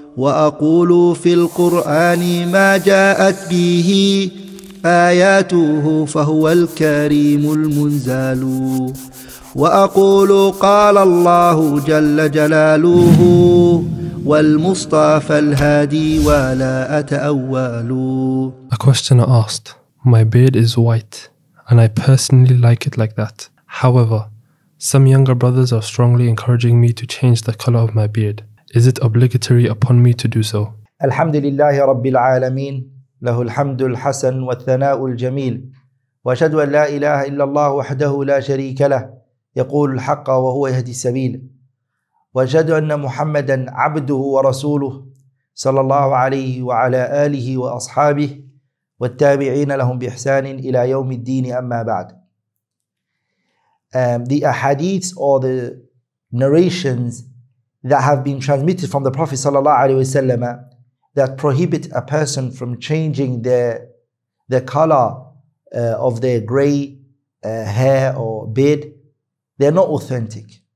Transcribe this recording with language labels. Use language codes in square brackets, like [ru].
[ar] وأقول في القرآن ما جاءت به آياته فهو الكريم المنزال. وأقول قال الله جل جلاله والمصطفى الهادي ولا أتأول. [en] A questioner asked, "My beard is white and I personally like it like that. However, some younger brothers are strongly encouraging me to change the color of my beard. Is it obligatory upon me to do so?" [ar] الحمد لله رب العالمين له الحمد الحسن والثناء الجميل وأشهد أن لا إله إلا الله وحده لا شريك له يقول الحق وهو يهدي السبيل وأشهد أن محمدا عبده ورسوله صلى الله عليه وعلى آله وأصحابه والتابعين لهم بإحسان إلى يوم الدين أما بعد. [en] The ahadiths or the narrations that have been transmitted from the Prophet sallallahu alaihi wasallam that prohibit a person from changing the color of their gray hair or beard, they're not authentic.